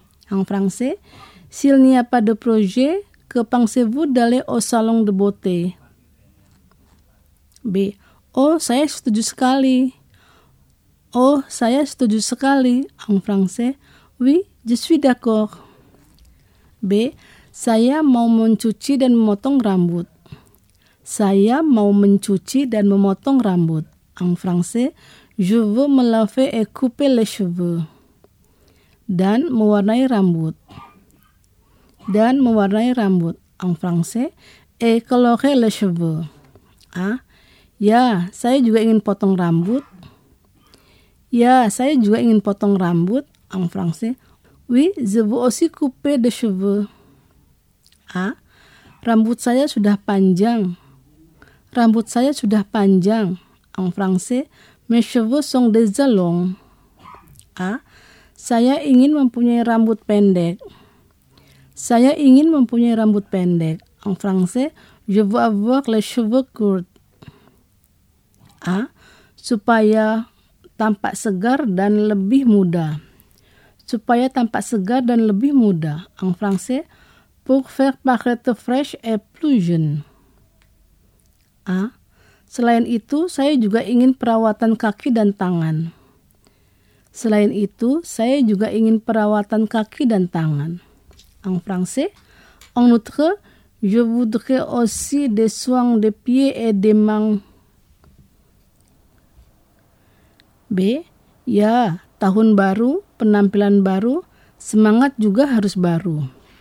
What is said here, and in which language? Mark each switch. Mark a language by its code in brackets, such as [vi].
[fr] En français, s'il n'y a pas de projet, que pensez-vous d'aller au salon de beauté? B. [id] Oh, saya setuju sekali. Oh, saya setuju sekali. [fr] En français, oui, je suis d'accord. B. [id] Saya mau mencuci dan memotong rambut. Saya mau mencuci dan memotong rambut. [fr] En français, je veux me laver et couper les cheveux. [id] Dan mewarnai rambut. Dan mewarnai rambut. [fr] En français, et colorer les cheveux. [id] Ah, ya, saya juga ingin potong rambut. Ya, saya juga ingin potong rambut. [fr] En français, oui, je veux aussi couper les cheveux. [id] Ah, rambut saya sudah panjang. Rambut saya sudah panjang. [fr] En français, mes cheveux sont déjà longs. A. [id] Saya ingin mempunyai rambut pendek. Saya ingin mempunyai rambut pendek. [fr] En français, je veux avoir les cheveux courts. A. [id] Supaya tampak segar dan lebih muda. Supaya tampak segar dan lebih muda. [fr] En français, pour faire paraître fresh et plus jeune. A. [id] Selain itu, saya juga ingin perawatan kaki dan tangan. Selain itu, saya juga ingin perawatan kaki dan tangan. [fr] En français, en outre, je voudrais aussi des soins de pieds et des mains. B. [id] Ya, tahun baru, penampilan baru, semangat juga harus baru.